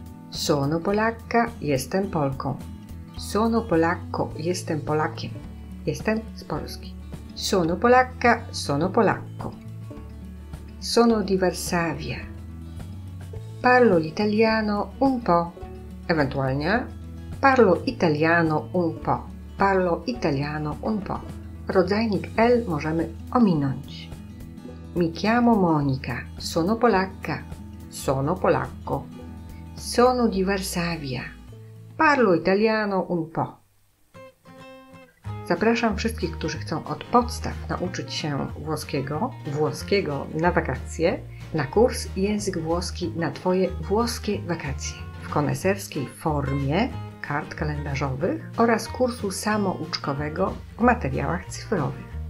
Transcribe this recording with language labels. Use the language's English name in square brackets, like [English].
[Italian] Sono Polacca, [Polish] jestem Polką. [Italian] Sono Polacco, [Polish] jestem Polakiem. Jestem z Polski. [Italian] Sono Polacca, sono Polacco. Sono di Varsavia. Parlo l'italiano un po'. [Polish] Ewentualnie [Italian] parlo italiano un po'. Parlo italiano un po'. [Polish] Rodzajnik L możemy ominąć. [Italian] Mi chiamo Monica. Sono Polacca. Sono Polacco. Sono di Varsavia. Parlo italiano un po'. [Polish] Zapraszam wszystkich, którzy chcą od podstaw nauczyć się włoskiego na wakacje, na kurs Język Włoski na Twoje włoskie wakacje w koneserskiej formie kart kalendarzowych oraz kursu samouczkowego w materiałach cyfrowych.